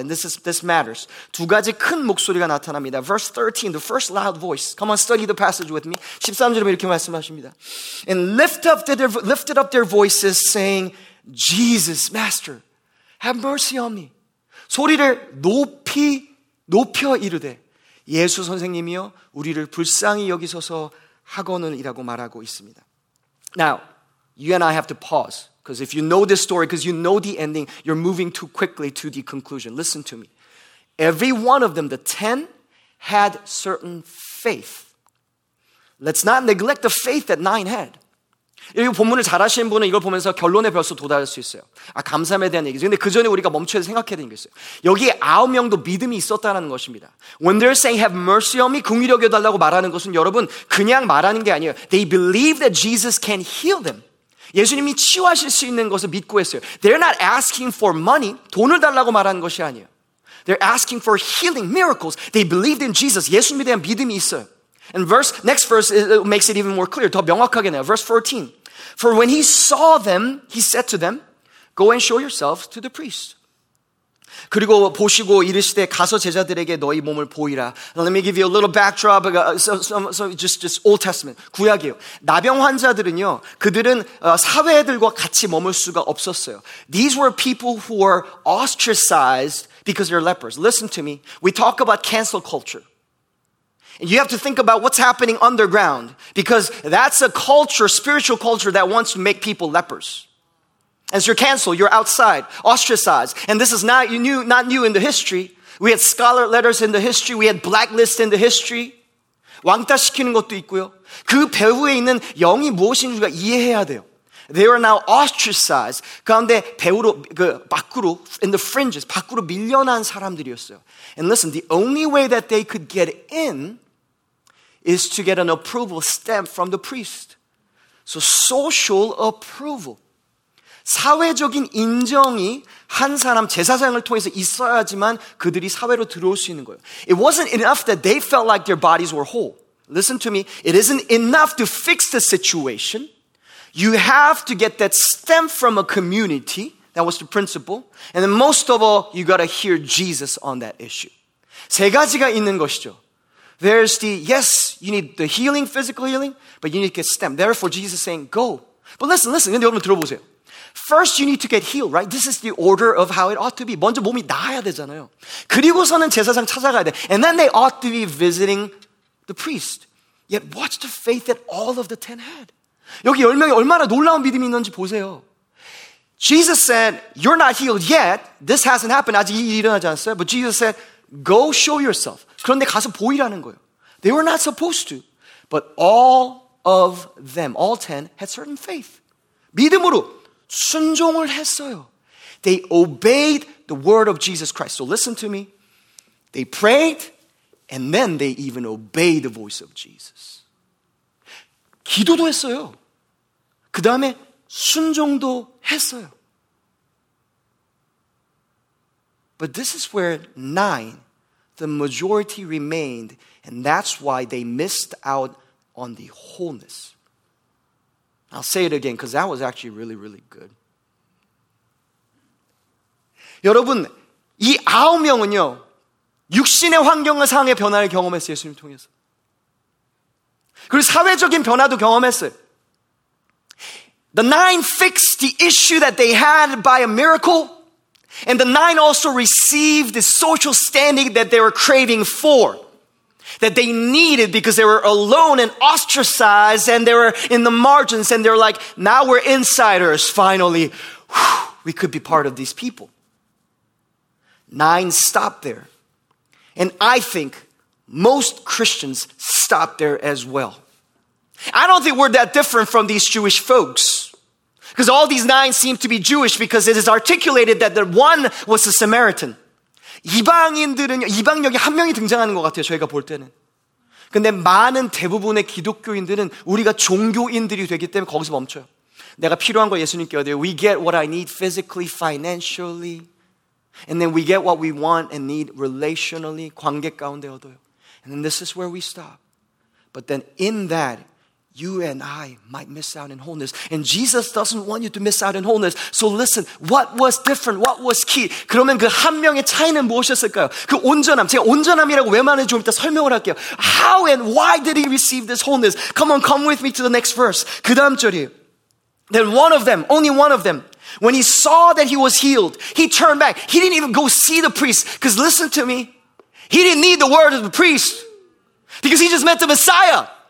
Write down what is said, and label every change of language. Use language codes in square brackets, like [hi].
[en] And this matters. [ko] 두 가지 큰 목소리가 나타납니다. [en] Verse 13, the first loud voice. Come on, study the passage with me. [ko] 13절에 이렇게 말씀하십니다. [en] And lifted up their voices saying, Jesus, Master, have mercy on me. [ko] 소리를 높이 높여 이르되 예수 선생님이여 우리를 불쌍히 여기소서 하거늘이라고 말하고 있습니다. [en] Now, you and I have to pause. Because if you know this story, because you know the ending, you're moving too quickly to the conclusion. Listen to me. Every one of them, the ten, had certain faith. Let's not neglect the faith that nine had. [ko] 이 본문을 잘 아시는 분은 이걸 보면서 결론에 벌써 도달할 수 있어요. 아, 감사함에 대한 얘기죠. 근데 그 전에 우리가 멈춰서 생각해야 되는 게 있어요. 여기 아홉 명도 믿음이 있었다는 것입니다. [en] When they're saying have mercy on me, [ko] 긍휼히 여겨달라고 말하는 것은 여러분 그냥 말하는 게 아니에요. [en] They believe that Jesus can heal them. [ko] 예수님이 치유하실 수 있는 것을 믿고 했어요. [en] They're not asking for money, [ko] 돈을 달라고 말하는 것이 아니에요. [en] They're asking for healing, miracles. They believed in Jesus. [ko] 예수님에 대한 믿음이 있어요. [en] And verse, next verse it makes it even more clear. [ko] 더 명확하게 내요. [en] Verse 14. For when he saw them, he said to them, go and show yourselves to the priest. [ko] 그리고 보시고 이르시되 가서 제자들에게 너희 몸을 보이라. [en] Now, let me give you a little backdrop. So just Old Testament. [ko] 구약이에요. 나병 환자들은요. 그들은 사회들과 같이 머물 수가 없었어요. [en] These were people who were ostracized because they're lepers. Listen to me. We talk about cancel culture. And you have to think about what's happening underground because that's a culture, spiritual culture that wants to make people lepers. And so you're canceled, you're outside, ostracized. And this is not new in the history. We had scholar letters in the history. We had blacklist in the history. [ko] 왕따 시키는 것도 있고요. 그 배후에 있는 영이 무엇인지 우리가 이해해야 돼요. [en] They are now ostracized. [ko] 가운데 배후로, 그 밖으로, [en] in the fringes, [ko] 밖으로 밀려난 사람들이었어요. [en] And listen, the only way that they could get in is to get an approval stamp from the priest. So social approval. [ko] 사회적인 인정이 한 사람 제사장을 통해서 있어야지만 그들이 사회로 들어올 수 있는 거예요. [en] It wasn't enough that they felt like their bodies were whole. Listen to me. It isn't enough to fix the situation. You have to get that stamp from a community. That was the principle. And then most of all, you got to hear Jesus on that issue. [ko] 세 가지가 있는 것이죠. [en] There's the, yes, you need the healing, physical healing, but you need to get stamped. Therefore, Jesus is saying, go. But listen. [ko] 근데 여러분 들어보세요. [en] First, you need to get healed, right? This is the order of how it ought to be. [ko] 먼저 몸이 나아야 되잖아요. 그리고서는 제사장 찾아가야 돼. [en] And then they ought to be visiting the priest. Yet watch the faith that all of the ten had. [ko] 여기 열 명이 얼마나 놀라운 믿음이 있는지 보세요. [en] Jesus said, you're not healed yet. This hasn't happened. [ko] 아직 이 일이 일어나지 않았어요. [en] But Jesus said, go show yourself. [ko] 그런데 가서 보이라는 거예요. [en] They were not supposed to. But all of them, all ten, had certain faith. [ko] 믿음으로 순종을 했어요. [en] They obeyed the word of Jesus Christ. So listen to me. They prayed, and then they even obeyed the voice of Jesus. [ko] 기도도 했어요. 그 다음에 순종도 했어요. [en] But this is where nine, the majority remained, and that's why they missed out on the wholeness. I'll say it again because that was actually really, really good. [ko] 여러분, 이 아홉 명은요, 육신의 환경을 상해 변화를 경험했어요, 예수님을 통해서. 그리고 사회적인 변화도 경험했어요. [en] The nine fixed the issue that they had by a miracle, and the nine also received the social standing that they were craving for. That they needed because they were alone and ostracized and they were in the margins and they're like, now we're insiders, finally. We could be part of these people. Nine stopped there. And I think most Christians stopped there as well. I don't think we're that different from these Jewish folks. Because all these nine seem to be Jewish because it is articulated that the one was a Samaritan. [ko] 이방인들은 이방역이 한 명이 등장하는 것 같아요 저희가 볼 때는 근데 많은 대부분의 기독교인들은 우리가 종교인들이 되기 때문에 거기서 멈춰요 내가 필요한 걸 예수님께 얻어요 [en] We get what I need physically, financially and then we get what we want and need relationally [ko] 관계 가운데 얻어요 [en] and then this is where we stop but then in that you and I might miss out in wholeness. And Jesus doesn't want you to miss out in wholeness. So listen, what was different? What was key? [ko] 그러면 그 한 명의 차이는 무엇이었을까요? 그 온전함, 제가 온전함이라고 왜 말하는지 좀 이따 설명을 할게요. [en] How and why did he receive this wholeness? Come on, come with me to the next verse. [ko] 그 다음 절이에요. [en] Then one of them, only one of them, when he saw that he was healed, he turned back. He didn't even go see the priest. Because listen to me, He didn't need the word of the priest because he just met the Messiah.